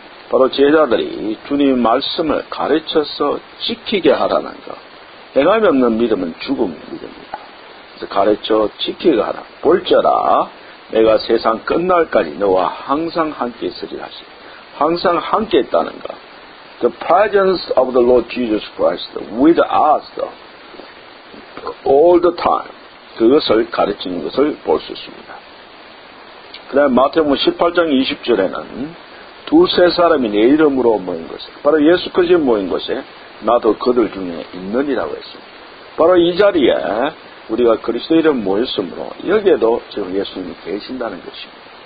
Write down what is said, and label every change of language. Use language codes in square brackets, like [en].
[ko] 바로 제자들이 주님의 말씀을 가르쳐서 지키게 하라는 것. 행함이 없는 믿음은 죽은 믿음입니다. 그래서 가르쳐 지켜가라. 볼지어다. 내가 세상 끝날까지 너와 항상 함께 있으리라 하시. 항상 함께 있다는 것. [en] The presence of the Lord Jesus Christ with us all the time. [ko] 그것을 가르치는 것을 볼 수 있습니다. 그 다음에 마태복음 18장 20절에는 두세 사람이 내 이름으로 모인 것에, 바로 예수 그리스도 모인 것에 나도 그들 중에 있느니라고 했습니다. 바로 이 자리에 우리가 그리스도 이름 모였으므로 여기에도 지금 예수님이 계신다는 것입니다.